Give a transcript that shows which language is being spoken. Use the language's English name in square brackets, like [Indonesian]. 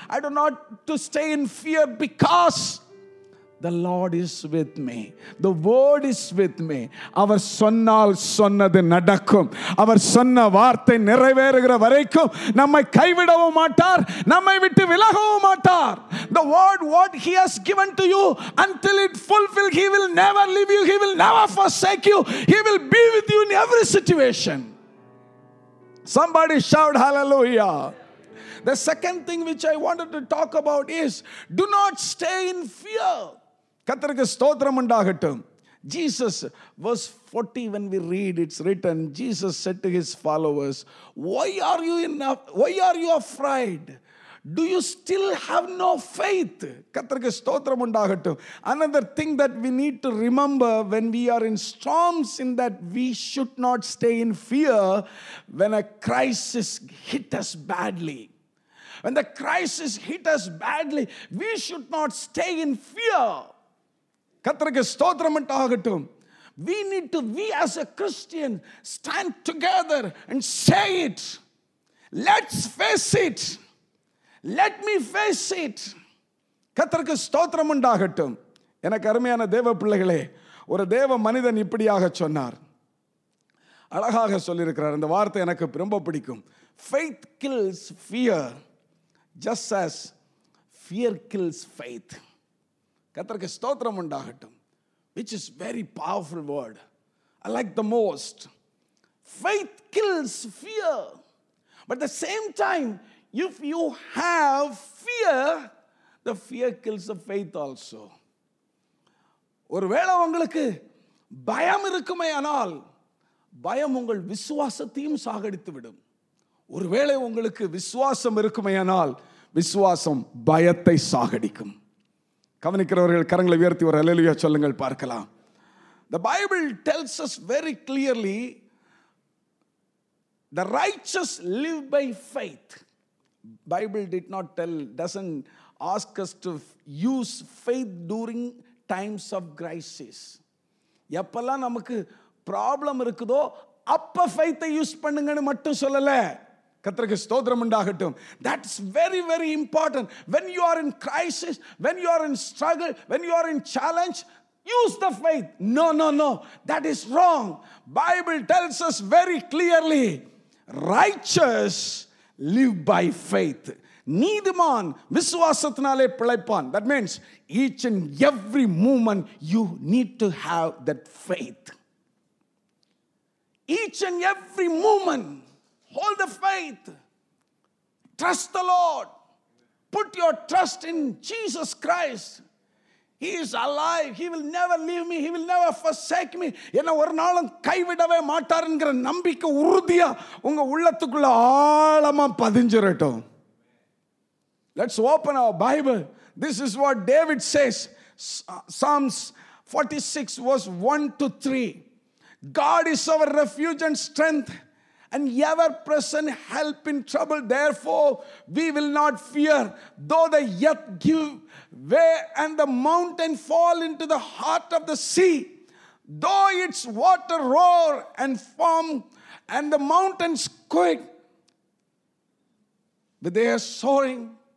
[English] I don't not to stay in fear because The Lord is with me. The word is with me. [Tamil] அவர் சொன்னால் சொன்னது நடக்கும். அவர் சொன்ன வார்த்தை நிறைவேறுகிற வரைக்கும் நம்மை கைவிடவும் மாட்டார், நம்மை விட்டு விலகவும் மாட்டார். [English] The word what he has given to you, until it fulfill, he will never leave you, he will never forsake you, he will be with you in every situation. Somebody shout hallelujah. The second thing which I wanted to talk about is, do not stay in fear. [Tamil] கர்த்தருக்கு ஸ்தோத்திரம் உண்டாகட்டும். [English] Jesus, verse 40, when we read, it's written, Jesus said to his followers, why are you afraid? Do you still have no faith? [Tamil] கர்த்தருக்கு ஸ்தோத்திரம் உண்டாகட்டும். [English] Another thing that we need to remember, when we are in storms, in that we should not stay in fear when a crisis hit us badly. When the crisis hit us badly, we should not stay in fear. [Tamil] கர்த்தருக்கு ஸ்தோத்திரம் உண்டாகட்டும். [English] We as a Christian stand together and say it. Let's face it. Let me face it. [Tamil] கர்த்தருக்கு ஸ்தோத்திரம் உண்டாகட்டும். எனக்கு அருமையான தேவ பிள்ளைகளே, ஒரு தேவ மனிதன் இப்படியாக சொன்னார், அழகாக சொல்லியிருக்கிறார். இந்த வார்த்தை எனக்கு ரொம்ப பிடிக்கும். [English] Faith kills fear. Just as fear kills faith. [Tamil] கர்த்தருக்கு ஸ்தோத்திரம் உண்டாகட்டும். [English] Which is very powerful word. I like the most. Faith kills fear. But at the same time, if you have fear, the fear kills the faith also. [Tamil] ஒருவேளை உங்களுக்கு பயம் இருக்குமே ஆனால் பயம் உங்கள் விசுவாசத்தையும் சாகடித்து விடும். ஒருவேளை உங்களுக்கு விசுவாசம் இருக்குமே ஆனால் விசுவாசம் பயத்தை சாகடிக்கும். கவனிக்கிறவர்கள் கரங்களை உயர்த்தி ஒரு அல்லேலூயா சொல்லுங்கள் பார்க்கலாம். [English] The Bible tells us very clearly, the righteous live by faith. Bible did not tell, doesn't ask us to use faith during times of crisis. [Tamil] எப்பெல்லாம் நமக்கு ப்ராப்ளம் இருக்குதோ அப்ப ஃபைத்தை யூஸ் பண்ணுங்கன்னு மட்டும் சொல்லலை. கர்த்தருக்கு ஸ்தோத்திரம் உண்டாகட்டும். [English] That's very, very important. When you are in crisis, when you are in struggle, when you are in challenge, use the faith. No. That is wrong. Bible tells us very clearly, righteous live by faith. [Tamil] நீதிமான் விசுவாசத்தினாலே பிழைப்பான். [English] That means each and every moment you need to have that faith. Each and every moment, hold the faith. Trust the Lord. Put your trust in Jesus Christ. He is alive. He will never leave me. He will never forsake me. [Tamil] என்ன ஒரு நாளும் கைவிடவே மாட்டார்ங்கிற நம்பிக்கை உறுதியா உங்க உள்ளத்துக்குள்ள ஆழமா பதிஞ்சிரட்டும். [English] Let's open our Bible. This is what David says. Psalms 46 verse 1 to 3. God is our refuge and strength, And ever present help in trouble. Therefore, we will not fear, though the earth give way and the mountain fall into the heart of the sea, though its water roar and foam and the mountains quake with their soaring.